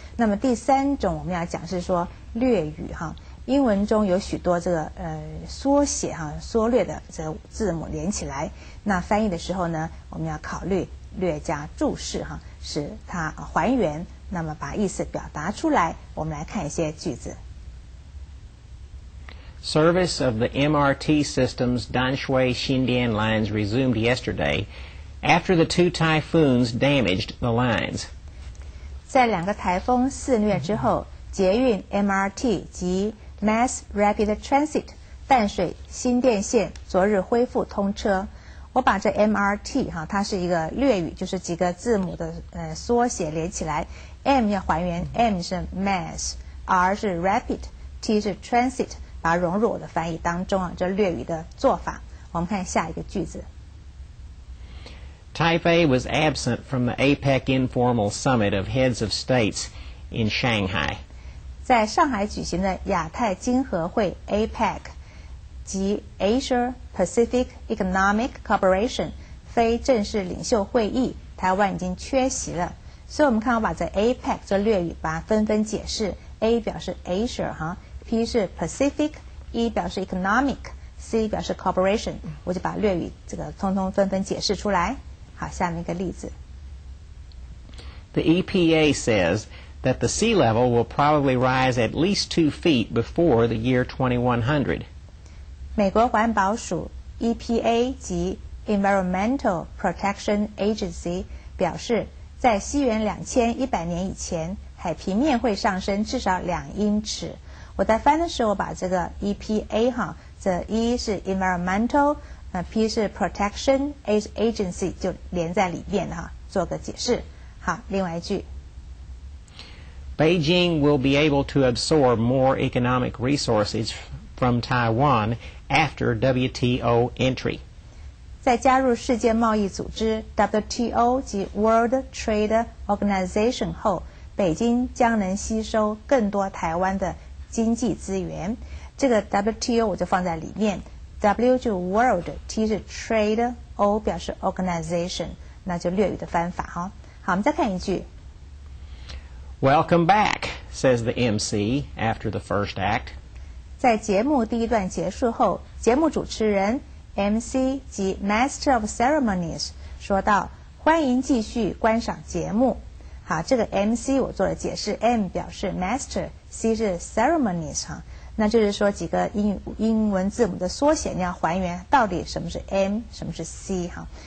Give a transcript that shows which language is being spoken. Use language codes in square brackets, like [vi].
[zh] 那么第三种我们要讲是说略语哈，英文中有许多这个缩写哈，缩略的这个字母连起来，那翻译的时候呢，我们要考虑略加注释哈，使它还原，那么把意思表达出来。我们来看一些句子。 [en] Service of the MRT system's Danshui Xindian lines resumed yesterday after the two typhoons damaged the lines. [zh] 在两个台风肆虐之后，捷运 MRT 及 [en] Mass Rapid Transit [zh] 淡水新电线昨日恢复通车。我把这 MRT 哈，它是一个略语，就是几个字母的缩写连起来。 M 要还原 ，M 是 mass，R 是 rapid，T 是 transit， 把它融入我的翻译当中啊，这略语的做法。我们看下一个句子。 [en] Taipei was absent from the APEC informal summit of heads of states in Shanghai. [zh] 在上海举行的亚太经合会 APEC 及 [en] Asia Pacific Economic Cooperation [zh] 非正式领袖会议，台湾已经缺席了。所以我们看，我把这 APEC 这略语把它纷纷解释。 A 表示 Asia 哈 ，P 是 Pacific，E 表示 Economic，C 表示 Cooperation。我就把略语这个通通纷纷解释出来。好，下面一个例子。 [en] The EPA says that the sea level will probably rise at least 2 feet before the year 2100. [zh] 美国环保署 EPA 及 [en] Environmental Protection Agency [zh] 表示。在西元2100年以前，海平面会上升至少2英尺。我在翻的时候，我把这个 EPA 哈，这 E 是 Environmental， P 是 [en] Protection Agency [zh] 就连在里面哈，做个解释。好，另外一句。 [en] Beijing will be able to absorb more economic resources from Taiwan after WTO entry. [zh] 在加入世界贸易组织 WTO 及 [en] World Trade Organization [zh] 后，北京将能吸收更多台湾的经济资源。这个 WTO 我就放在里面 ，W 就 World，T 是 Trade，O 表示 Organization， 那就略语的翻法哈。好，我们再看一句。 [en] Welcome back, says the MC after the first act. [zh] 在节目第一段结束后，节目主持人 MC 及 [en] Master of Ceremonies [zh] 说道：“欢迎继续观赏节目。” 好，这个 MC 我做了解释 ，M 表示 Master，C 是 Ceremonies 哈。那就是说几个英文字母的缩写，你要还原到底什么是 M， 什么是 C 哈。